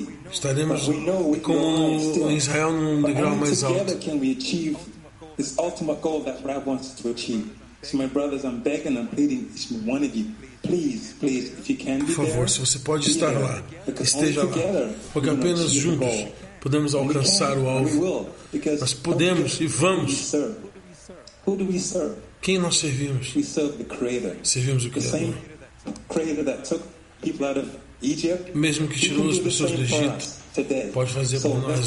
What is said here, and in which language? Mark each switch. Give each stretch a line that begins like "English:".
Portuguese: Estaremos como em Israel num degrau mais alto.
English: This ultimate goal that Rav wants to achieve. So my brothers, I'm begging, I'm pleading, one of you, please, please, if you can be
Portuguese: there. Por favor,
English: there,
Portuguese: se você pode estar
English: there,
Portuguese: lá, esteja lá. Porque apenas juntos podemos alcançar o alvo. Nós podemos e vamos.
English: Who do we serve?
Portuguese: Quem nós servimos?
English: We serve the Creator.
Portuguese: Servimos o Criador.
English: The same Creator that took people out of Egypt.
Portuguese: Mesmo que tirou as pessoas do Egito, pode fazer por nós